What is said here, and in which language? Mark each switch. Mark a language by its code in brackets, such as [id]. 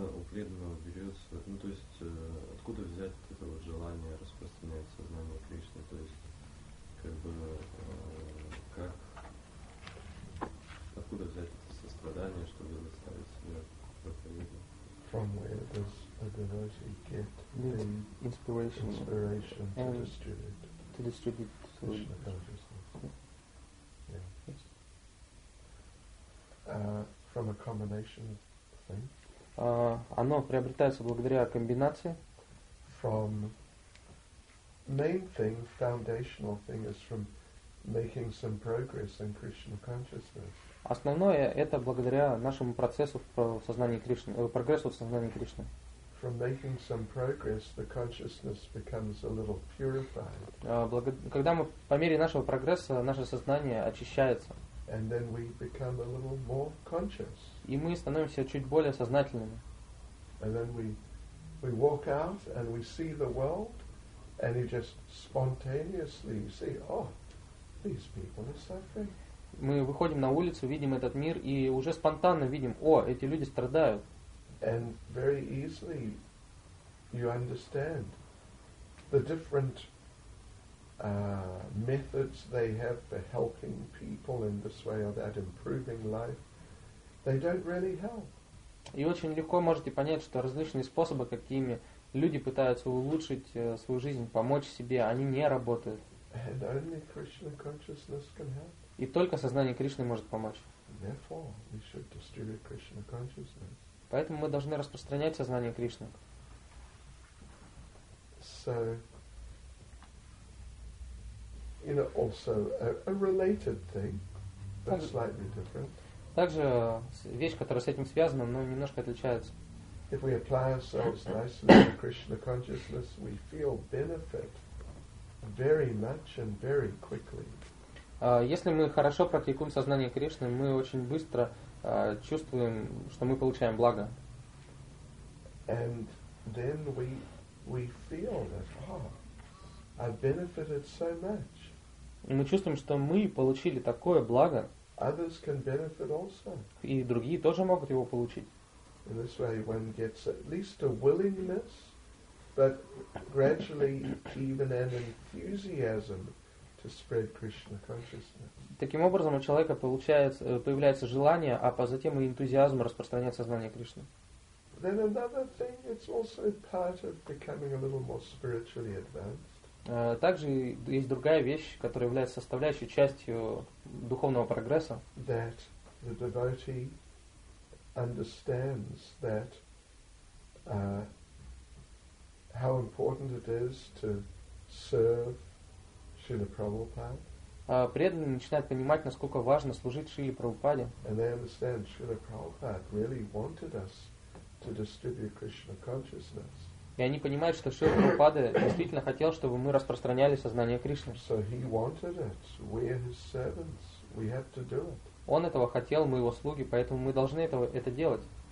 [ru] преданного берется, ну то есть откуда взять вот это вот желание распространять сознание Кришны, то есть как бы как откуда взять это сострадание, чтобы заставить себя проповедовать? [en] From where does a devotee get the inspiration, inspiration to distribute? To distribute to Krishna consciousness. From a combination of things. [ru] Оно приобретается благодаря комбинации. [en] From main thing, foundational thing is from making some progress in Krishna consciousness. [ru] Основное это благодаря нашему процессу в сознании Кришны, прогрессу в сознании Кришны. [en] From making some progress, the consciousness becomes a little purified. [ru] Когда мы по мере нашего прогресса наше сознание очищается. [en] And then we become a little more conscious. [ru] И мы становимся чуть более сознательными. [en] And then we walk out and we see the world, and you just spontaneously see, oh, these people are suffering. [ru] Мы выходим на улицу, видим этот мир и уже спонтанно видим, о, эти люди страдают. [en] And very easily you understand the different methods they have for helping people in this way or that, improving life, they don't really help. [ru] И очень легко можете понять, что различные способы, какими люди пытаются улучшить свою жизнь, помочь себе, они не работают. [en] And only Krishna consciousness can help. [ru] И только сознание Кришны может помочь. [en] Therefore, we should distribute Krishna consciousness. [ru] Поэтому мы должны распространять сознание Кришны. [en] So, you know, also a related thing, but slightly different. [ru] Также вещь, которая с этим связана, но немножко отличается. [en] If we apply ourselves nicely to Krishna consciousness, we feel benefit very much and very quickly. [ru] Если мы хорошо практикуем сознание Кришны, мы очень быстро чувствуем, что мы получаем благо. [en] And then we feel that, oh, I've benefited so much. [ru] Мы чувствуем, что мы получили такое благо. [en] Others can benefit also. [ru] И другие тоже могут его получить. [en] In this way one gets at least a willingness, but gradually even an enthusiasm to spread Krishna consciousness. [ru] Таким образом у человека появляется желание, а затем и энтузиазм распространять сознание Кришны. [en] Then another thing, it's also part of becoming a little more spiritually advanced. [ru] Также есть другая вещь, которая является составляющей частью духовного прогресса. [en] That the devotee understands that how important it is to serve Srila Prabhupada. [ru] Преданный начинает понимать, насколько важно служить Шриле Прабхупаде. [en] And they understand Srila Prabhupada really wanted us to distribute Krishna consciousness. [ru] И они понимают, что Шрила Прабхупада действительно хотел, чтобы мы распространяли сознание Кришны. [en] So he wanted it. We're his servants. We have to do it. [ru] Он этого хотел, мы его слуги, поэтому мы должны это делать.